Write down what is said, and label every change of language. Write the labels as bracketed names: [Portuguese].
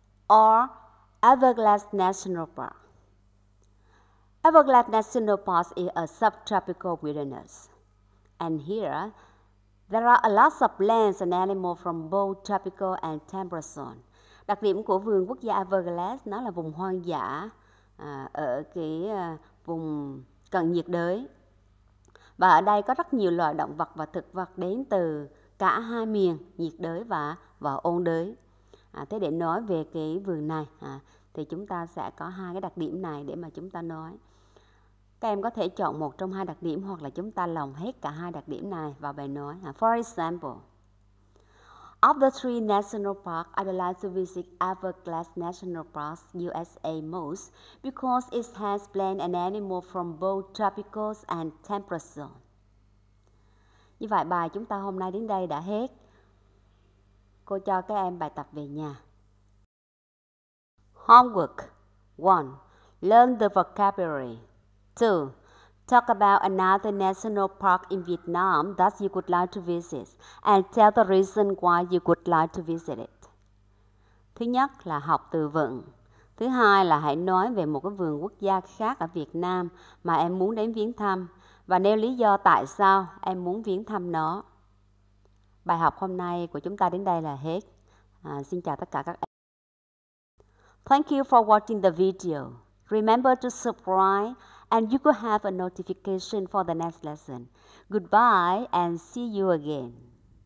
[English] Or Everglades National Park. Everglades National Park is a subtropical wilderness. And here, there are a lot of plants and animals from both tropical and temperate zones. [Vietnamese] Đặc điểm của vườn quốc gia Everglades, nó là vùng hoang dã ở cái vùng cận nhiệt đới. Và ở đây có rất nhiều loài động vật và thực vật đến từ cả hai miền nhiệt đới và ôn đới. Thế để nói về cái vườn này thì chúng ta sẽ có hai cái đặc điểm này để mà chúng ta nói. Các em có thể chọn một trong hai đặc điểm hoặc là chúng ta lồng hết cả hai đặc điểm này vào bài nói. [English] For example, of the three national parks, I'd like to visit Everglades National Park, USA most, because it has plants and animals from both tropical and temperate zones. [Vietnamese] Như vậy bài chúng ta hôm nay đến đây đã hết. Cô cho các em bài tập về nhà. [English] Homework 1. Learn the vocabulary. 2. Talk about another national park in Vietnam that you would like to visit and tell the reason why you would like to visit it. [Vietnamese] Thứ nhất là học từ vựng. Thứ hai là hãy nói về một cái vườn quốc gia khác ở Việt Nam mà em muốn đến viếng thăm và nêu lý do tại sao em muốn viếng thăm nó. Bài học hôm nay của chúng ta đến đây là hết. Xin chào tất cả các em. [English] Thank you for watching the video. Remember to subscribe and you could have a notification for the next lesson. Goodbye and see you again.